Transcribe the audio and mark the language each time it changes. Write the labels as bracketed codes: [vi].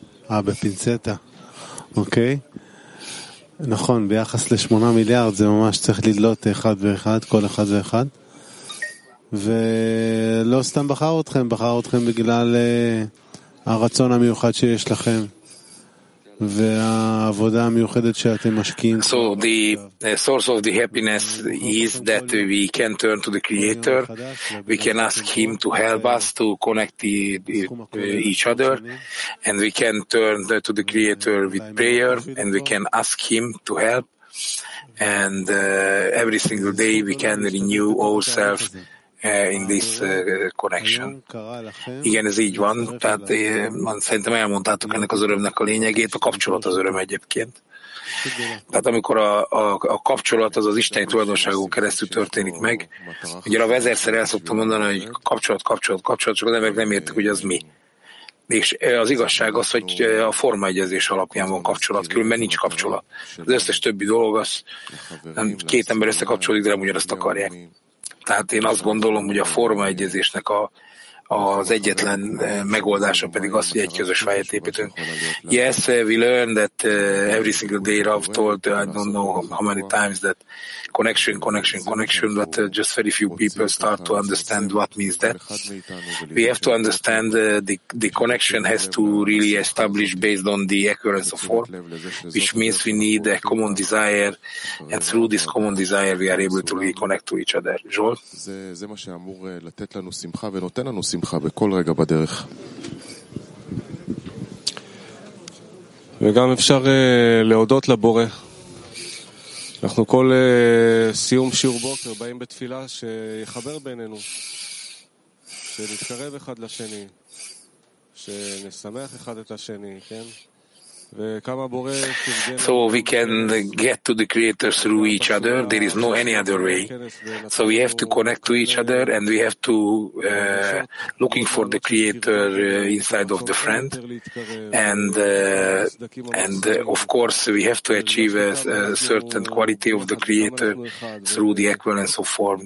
[he] בפינצטה. אוקיי. נכון, ביחס לשמונה מיליארד זה ממש צריך לדלות אחד ואחד, כל אחד ואחד. ולא סתם בחר אתכם בגלל הרצון המיוחד שיש לכם. [en] So the source of the happiness is that we can turn to the Creator, we can ask Him to help us to connect each other, and we can turn to the Creator with prayer, and we can ask Him to help, and every single day we can renew ourselves in this connection. [hu] Igen, ez így van. Tehát szerintem elmondtátok ennek az örömnek a lényegét. A kapcsolat az öröm egyébként. Tehát amikor a kapcsolat az isteni tulajdonságon keresztül történik meg, ugye a vezérszer el szoktam mondani, hogy kapcsolat, kapcsolat, kapcsolat, csak az emberek nem értik, hogy az mi. És az igazság az, hogy a formaegyezés alapján van kapcsolat, különben nincs kapcsolat. Az összes többi dolog az, két ember összekapcsolódik, de nem ugyanazt akarják. Tehát én azt gondolom, hogy a formaegyezésnek az egyetlen megoldása pedig az, hogy egy közös fejet építünk. [en] Yes, we learned that every single day Rav told, I don't know how many times, that connection, connection, connection, but just very few people start to understand what means that. We have to understand the connection has to really establish based on the occurrence of form, which means we need a common desire, and through this common desire we are able to really connect to each other. Joel? [he] שמחה בכל רגע בדרך וגם אפשר להודות לבורא אנחנו כל סיום שיעור בוקר באים בתפילה שיחבר בינינו שנתקרב אחד לשני שנשמח אחד את השני כן [en] So we can get to the Creator through each other. There is no any other way. So we have to connect to each other and we have to looking for the Creator inside of the friend. And of course we have to achieve a certain quality of the Creator through the equivalence of form.